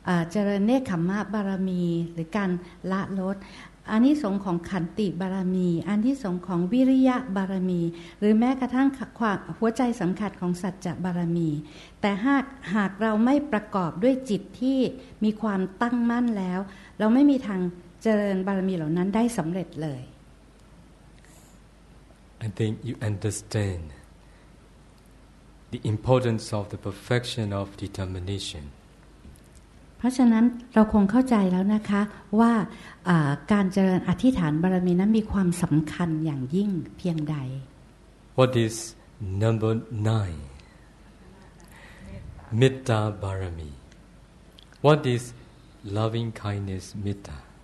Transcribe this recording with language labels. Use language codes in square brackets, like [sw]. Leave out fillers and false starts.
[th] เจริญเนกขัมมะบารมีหรือการละลดอานิสงส์ของขันติบารมีอานิสงส์ของวิริยะบารมีหรือแม้กระทั่งความหัวใจสำคัญของสัจจะบารมีแต่หากเราไม่ประกอบด้วยจิตที่มีความตั้งมั่นแล้วเราไม่มีทางเจริญบารมีเหล่านั้นได้สำเร็จเลย [en] I think you understand the importance of the perfection of determination. [th] เพราะฉะนั้นเราคงเข้าใจแล้วนะคะว่าการเจริญอธิษฐานบารมีนั้นมีความสำคัญอย่างยิ่งเพียงใด [en] What is number nine? Metta Barami What is loving kindness Metta?